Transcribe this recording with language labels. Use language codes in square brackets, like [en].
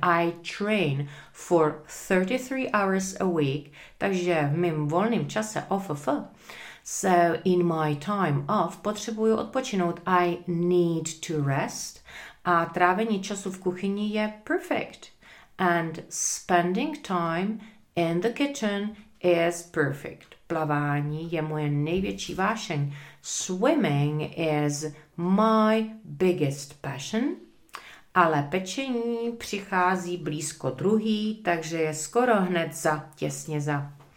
[en] I train for 33 hours a week, [cs] takže v mým volným čase off. [en] So in my time off, [cs] potřebuju odpočinout. [en] I need to rest. [cs] A trávení času v kuchyni je perfect. [en] And spending time in the kitchen is perfect. [cs] Plavání je moje největší vášeň. [en] Swimming is my biggest passion. [cs] Ale pečení přichází blízko druhý, takže je skoro hned za, těsně za.